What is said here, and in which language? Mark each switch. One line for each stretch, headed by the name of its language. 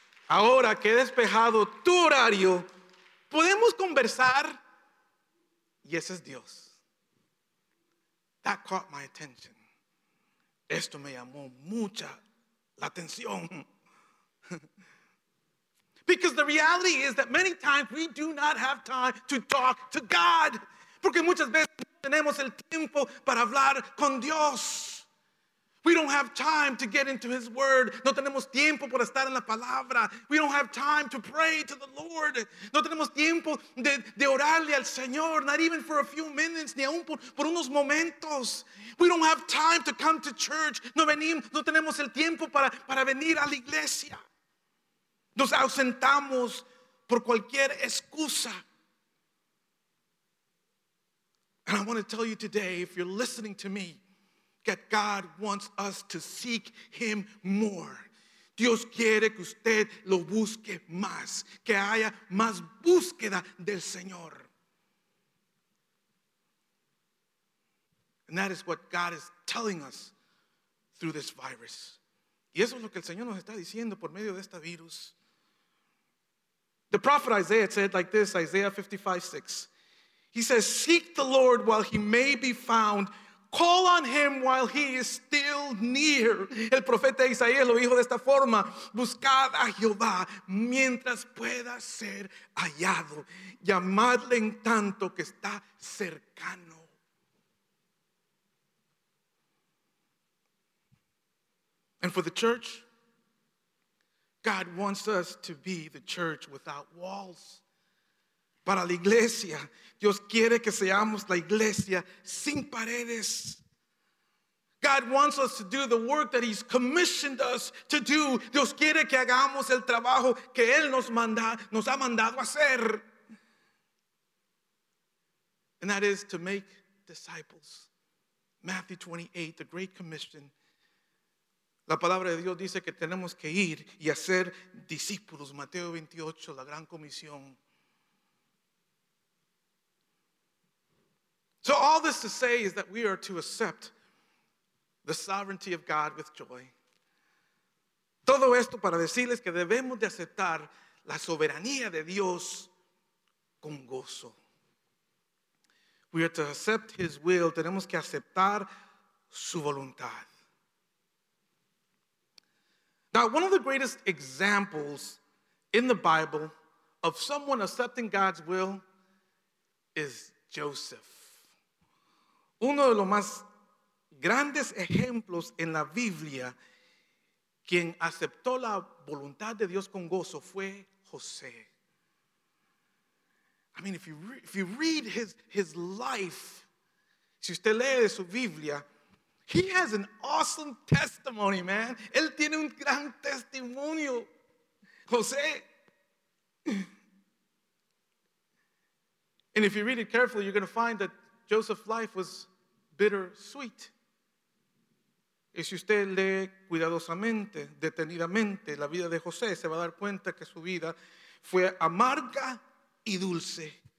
Spanish: Ahora que he despejado tu horario, podemos conversar. Y ese es Dios.
English: That caught my attention.
Spanish: Esto me llamó mucha la atención.
English: Because the reality is that many times we do not have time to talk to God.
Spanish: Porque muchas veces no tenemos el tiempo para hablar con Dios.
English: We don't have time to get into his word.
Spanish: No tenemos tiempo para estar en la palabra.
English: We don't have time to pray to the Lord.
Spanish: No tenemos tiempo de orarle al Señor,
English: not even for a few minutes,
Spanish: ni aun por unos momentos.
English: We don't have time to come to church.
Spanish: No tenemos el tiempo para venir a la iglesia. Nos ausentamos por cualquier excusa.
English: And I want to tell you today, if you're listening to me, that God wants us to seek him more.
Spanish: Dios quiere que usted lo busque más. Que haya más búsqueda del Señor.
English: And that is what God is telling us through this virus.
Spanish: Y eso es lo que el Señor nos está diciendo por medio de este virus.
English: The prophet Isaiah said like this, Isaiah 55:6. He says, seek the Lord while he may be found. Call on him while he is still near.
Spanish: El profeta Isaías lo dijo de esta forma: buscad a Jehová mientras pueda ser hallado. Llamadle en tanto que está cercano.
English: And for the church, God wants us to be the church without walls.
Spanish: Para la iglesia, Dios quiere que seamos la iglesia sin paredes.
English: God wants us to do the work that he's commissioned us to do.
Spanish: Dios quiere que hagamos el trabajo que él nos ha mandado hacer.
English: And that is to make disciples. Matthew 28, the Great Commission.
Spanish: La palabra de Dios dice que tenemos que ir y hacer discípulos. Mateo 28, la Gran Comisión.
English: So all this to say is that we are to accept the sovereignty of God with joy.
Spanish: Todo esto para decirles que debemos de aceptar la soberanía de Dios con gozo.
English: We are to accept his will.
Spanish: Tenemos que aceptar su voluntad.
English: Now, one of the greatest examples in the Bible of someone accepting God's will is Joseph.
Spanish: Uno de los más grandes ejemplos en la Biblia quien aceptó la voluntad de Dios con gozo fue José.
English: I mean, if you read his life,
Spanish: si usted lee de su Biblia,
English: he has an awesome testimony, man.
Spanish: Él tiene un gran testimonio, José.
English: And if you read it carefully, you're going to find that Joseph's life was bittersweet.
Spanish: Y si usted lee cuidadosamente, detenidamente, la vida de José, se va a dar cuenta que su vida fue amarga y dulce.